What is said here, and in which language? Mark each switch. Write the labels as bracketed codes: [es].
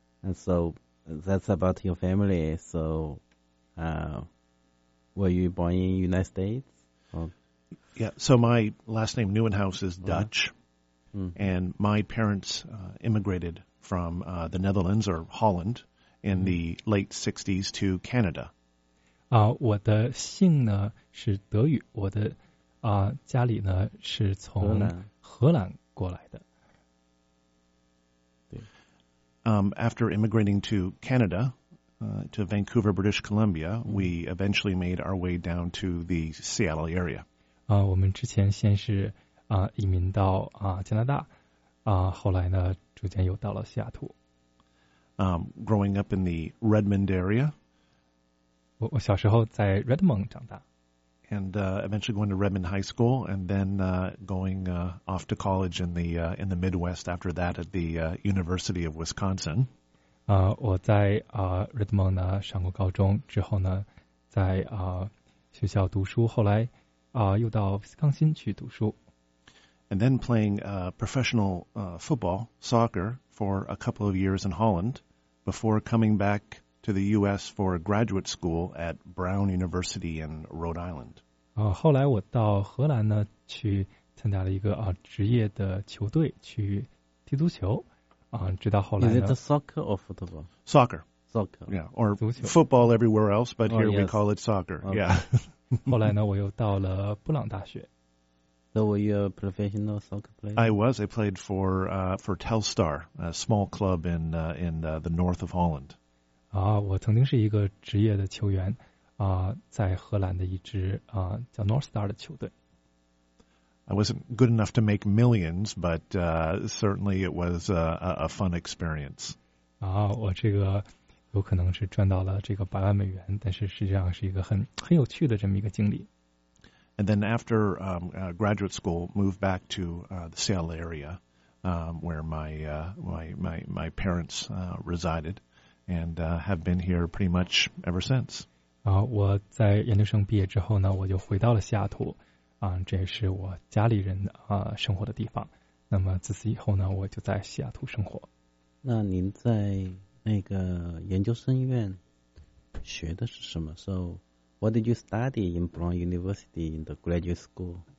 [en] And so that's about your family. So were you born in United States？ Yeah. So my last name Neuwenhaus is Dutch. And my parents immigrated from the Netherlands or Holland in the late 60s to Canada. [zh] 我的姓呢是德语，我的家里呢是从荷兰过来的。 [en] After immigrating to Canada, to Vancouver, British Columbia, we eventually made our way down to the Seattle area. [zh] 我们之前先是移民到加拿大，后来呢，逐渐又到了西雅图。 [en] Growing up in the Redmond area， [zh] 我小时候在 Redmond 长大 [en] ，and eventually going to Redmond High School， and then going off to college in the Midwest after that at the University of Wisconsin。 [zh] 我在Redmond 呢上过高中，之后呢在学校读书，后来又到斯康辛去读书。 [en] And then playing professional football, soccer, for a couple of years in Holland before coming back to the U.S. for a graduate school at Brown University in Rhode Island. [zh] 后来我到荷兰呢去参加了一个职业的球队去踢足球，直到后来呢。 [en] Is it soccer or football? Soccer. Soccer. Yeah, or football everywhere else, but here we call it soccer. Okay. Yeah. [zh] 后来呢我又到了布朗大学。 [en] So were you a professional soccer player? I was. I played for Telstar, a small club in the north of Holland. [zh] 啊，我曾经是一个职业的球员啊，在荷兰的一支啊叫 North Star 的球队。 [en] I wasn't good enough to make millions, but certainly it was a fun experience. [zh] 啊，我这个有可能是赚到了这个百万美元，但是实际上是一个很有趣的这么一个经历。 [en] And then after graduate school, moved back to the Seattle area, where my parents resided, and have been here pretty much ever since. [zh] 啊，我在研究生毕业之后呢，我就回到了西雅图。啊，这也是我家里人啊生活的地方。那么自此以后呢，我就在西雅图生活。那您在那个研究生院学的是什么 [en] ？So, what did you study in Brown University in the graduate school?